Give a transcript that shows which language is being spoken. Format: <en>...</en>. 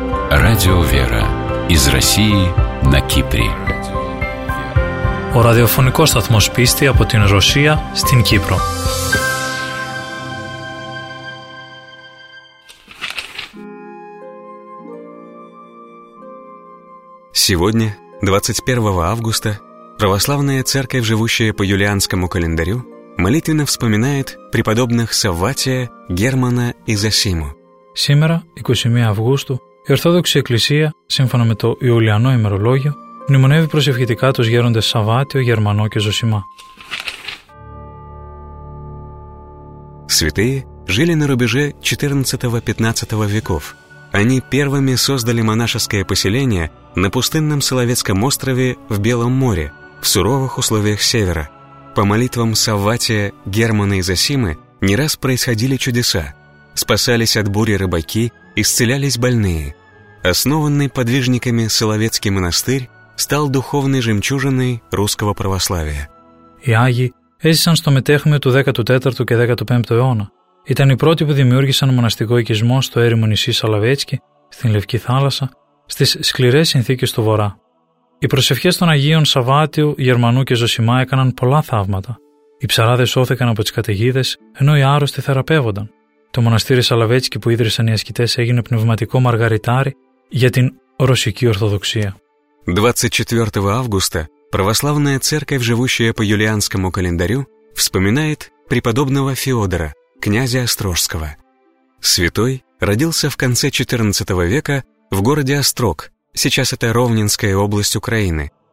<ru>Радио «Вера» из России на Кипре.</ru> <el>Ο ραδιοφωνικός σταθμός πίστη από την Ρωσία στην Κύπρο.</el> <ru>Сегодня, 21 августа, православная церковь, живущая по юлианскому календарю, молитвенно вспоминает преподобных Савватия, Германа и Зосиму. Сегодня, 21 августа,</ru> <el>η Ορθόδοξη Εκκλησία, σύμφωνα με το Ιουλιανό ημερολόγιο, μνημονεύει προσευχητικά τους γέροντες Σαββάτιο, Γερμανό και Ζωσιμά.</el> <ru>Святые жили на рубеже 14-15 веков. Они первыми создали монашеское поселение на пустынном Соловецком острове в Белом море, в суровых условиях севера. По молитвам Савватия, Германа и Зосимы не раз происходили чудеса. Спасались от бури рыбаки, исцелялись больные. Основанный подвижниками Соловецкий монастырь стал духовной жемчужиной русского православия.</ru> <el>Οι Άγιοι έζησαν στο μετέχμιο του 14ου και 15ου αιώνα. Ήταν οι πρώτοι που δημιούργησαν μοναστικό οικισμό στο έρημο νησί Σαλαβέτσκι, στην Λευκή Θάλασσα, στις σκληρές συνθήκες του Βορρά. Οι προσευχές των Αγίων Σαββάτιου, Γερμανού και Ζωσιμά έκαναν πολλά θαύματα. Οι ψαράδες σώθηκαν από τις καταιγίδες, ενώ οι άρρωστοι θεραπεύονταν. Το μοναστήρι Σαλαβέτσκι που ίδρυσαν οι ασκητές έγινε πνευματικό μαργαριτάρι για την ρωσική Ορθοδοξία. 24 Αύγουστα,</el> <ru>православная церковь, живущая по юлианскому календарю, вспоминает преподобного Феодора, князя Острожского. Святой родился в конце 14 века в городе Острог, сейчас это Ровненская область Украины.</ru>